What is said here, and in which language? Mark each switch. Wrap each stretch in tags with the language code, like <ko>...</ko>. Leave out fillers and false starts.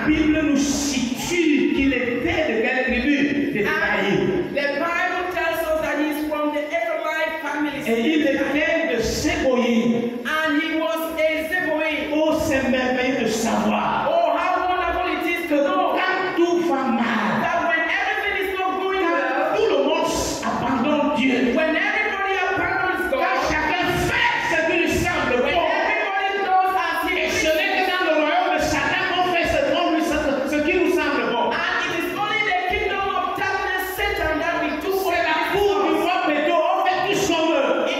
<fr>La Bible nous situe qu'il était de quelle tribu? De Ephraïm.</fr> <en>The Bible tells us that he's from the Ephraim family.</en> <fr>Et il était de Séboïm.</fr> <en>And he was a Séboïm.</en> <fr>Oh, c'est merveilleux de savoir.</fr> <en>Oh, how wonderful it is to know.</en> <fr>Quand tout va mal.</fr> <en>That when everything is not going</en> <fr>quand</fr> <en>well.</en> <fr>Quand tout le monde abandonne Dieu.</fr> <en>When everybody abandons God.</en> <fr>Quand chacun fait ce qu'il semble</fr> <en>when</en> <fr>bon.</fr> <en>Everybody does as he</en> <fr>et ce n'est que dans le royaume de Satan qu'on fait ce qu'on lui ce qui nous semble bon.</fr> <en>And it is only the kingdom of darkness, Satan, that we do.</en> <fr>C'est la cour du roi Pedro, on fait tout ce qu'on veut.</fr>